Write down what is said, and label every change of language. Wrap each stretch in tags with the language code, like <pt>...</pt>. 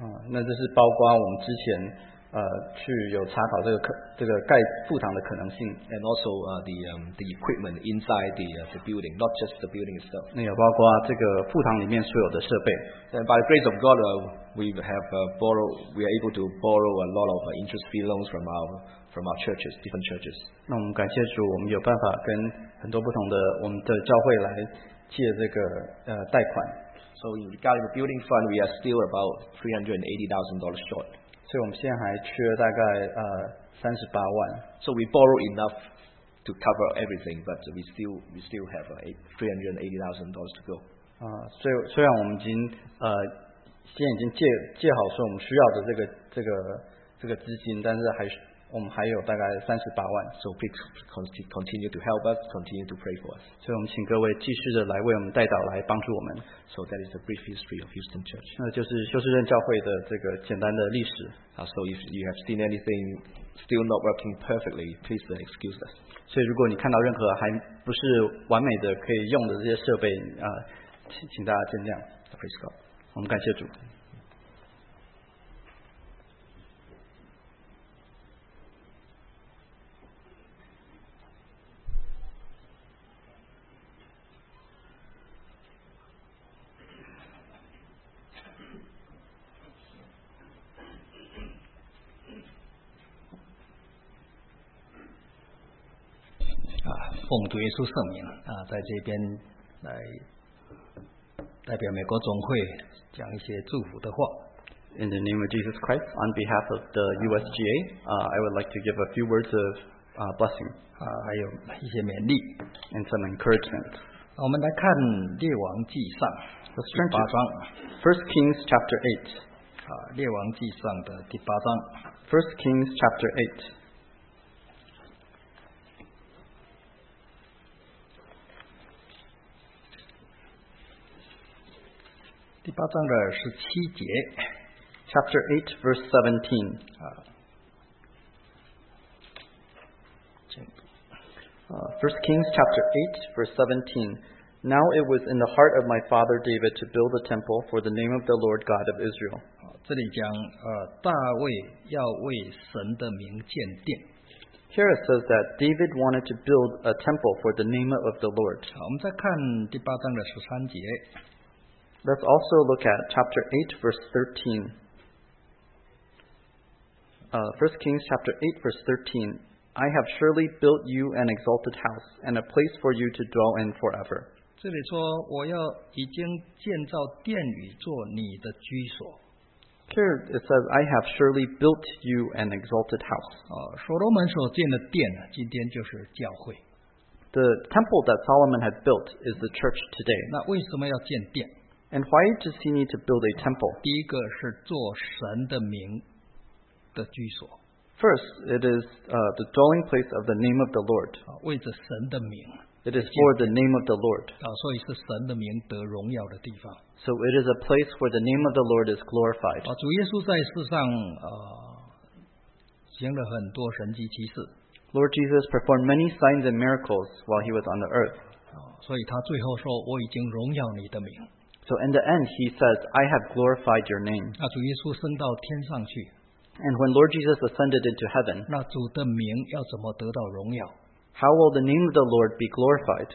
<zh>那这是包括我们之前去有查考这个盖副堂的可能性。</zh> <en>And also the equipment inside the building, not just the building itself.</en> <zh>那也包括这个副堂里面所有的设备。</zh> <en>And by the grace of God, we are able to borrow a lot of interest-free loans from our churches, different churches.</en> <zh>那我们感谢主，我们有办法跟很多不同的我们的教会来借这个贷款。</zh> <en>So in regard to the building fund, we are still about $380,000 short.</en> <zh>所以我们现在还缺大概38万。</zh> <en>So we borrow enough to cover everything, but we still have $380,000 to go.</en> <zh>虽然我们已经现在已经借好说我们需要的这个资金，但是我们还有大概38万。</zh> <en>So please continue to help us, continue to pray for us.</en> <zh>所以我们请各位继续的来为我们代祷，来帮助我们。</zh> <en>So that is a brief history of Houston Church.</en> <zh>那就是休斯顿教会的这个简单的历史。</zh> <en>So if you have seen anything still not working perfectly, please excuse us.</en> <zh>所以如果你看到任何还不是完美的可以用的这些设备请大家见谅。</zh> <en>Praise God.</en> <zh>我们感谢主。奉主耶稣圣名在这边来代表美国总会讲一些祝福的话。</zh> <en>In the name of Jesus Christ, on behalf of the USGA, I would like to give a few words of blessing.</en> <zh>还有一些勉励。</zh> <en>And some encouragement.</en> <zh>我们来看列王记上第八章。</zh> <en>First Kings chapter 8.</en> <zh>列王记上的第八章。</zh> <en>First Kings chapter 8.</en> <zh>第八章的十七节</zh> <en>Chapter 8 verse 17First Kings chapter 8 verse 17 Now it was in the heart of my father David to build a temple for the name of the Lord God of Israel.</en> <zh>这里讲大卫要为神的名建殿。</zh> <en>Here it says that David wanted to build a temple for the name of the Lord.</en> <zh>我们再看第八章的十三节。</zh> <en>Let's also look at chapter 8 verse 13. First Kings chapter 8 verse 13. I have surely built you an exalted house and a place for you to dwell in forever.</en> <zh>这里说我要已经建造殿宇做你的居所。</zh> <en>Here it says, I have surely built you an exalted house.</en> <zh>所罗门所建的殿今天就是教会。</zh> <en>The temple that Solomon had built is the church today.</en> <zh>那为什么要建殿？</zh> <en>And why does he need to build a temple?</en> <zh>第一个是做神的名的居所。</zh> <en>First, it is the dwelling place of the name of the Lord.</en> <zh>为着神的名。</zh> <en>It is for the name of the Lord.</en> <zh>所以是神的名得荣耀的地方。</zh> <en>So it is a place where the name of the Lord is glorified.</en> <zh>主耶稣在世上行了很多神迹奇事。</zh> <en>Lord Jesus performed many signs and miracles while he was on the earth.</en> <zh>所以他最后说我已经荣耀你的名。</zh> <en>So in the end he says, I have glorified your name.</en> <zh>主耶稣升到天上去。</zh> <en>And when Lord Jesus ascended into heaven,</en> <zh>那主的名要怎么得到荣耀？</zh> <en>How will the name of the Lord be glorified?</en>